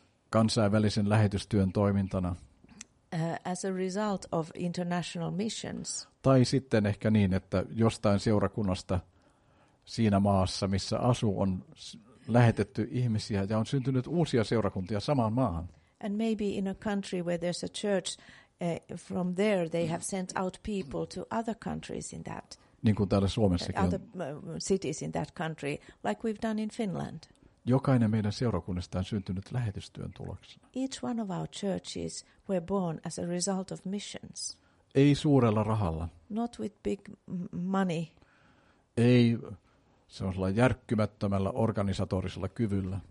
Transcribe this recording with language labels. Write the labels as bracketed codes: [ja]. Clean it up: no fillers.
[fi] Kansainvälisen lähetystyön toimintana. [en] As a result of international missions. [fi] Tai sitten ehkä niin, että jostain seurakunnasta siinä maassa, missä asuu, on lähetetty ihmisiä ja on syntynyt uusia seurakuntia samaan maahan. [en] And maybe in a country where there's a church, from there they have sent out people to other countries in that. [fi] Niin kuin täällä Suomessakin. [en] Other cities in that country, like we've done in Finland. [fi] Jokainen meidän seurakunnista on syntynyt lähetystyön tuloksena. [en] Each one of our churches were born as a result of missions. [fi] Ei suurella rahalla. [en] Not with big money. [fi] Ei sellaisella järkkymättömällä organisatorisella kyvyllä.